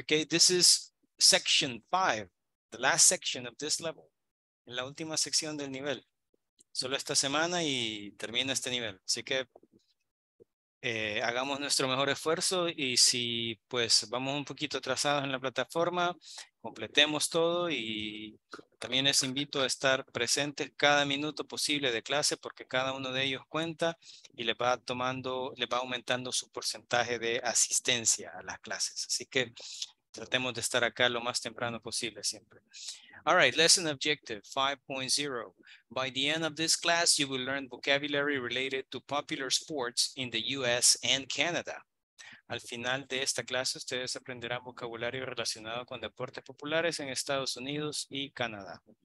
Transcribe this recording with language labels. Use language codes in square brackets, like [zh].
[en] Okay, this is section 5, the last section of this level. [es] En la última sección del nivel. Solo esta semana y termina este nivel. Así que hagamos nuestro mejor esfuerzo y si pues vamos un poquito atrasados en la plataforma, completemos todo y también les invito a estar presentes cada minuto posible de clase porque cada uno de ellos cuenta y les va aumentando su porcentaje de asistencia a las clases. Así que Tratemos de estar acá lo más temprano posible siempre. [en] All right, lesson objective 5.0. By the end of this class, you will learn vocabulary related to popular sports in the US and Canada. [es] Al final de esta clase, ustedes aprenderán vocabulario relacionado con deportes populares en Estados Unidos y Canadá.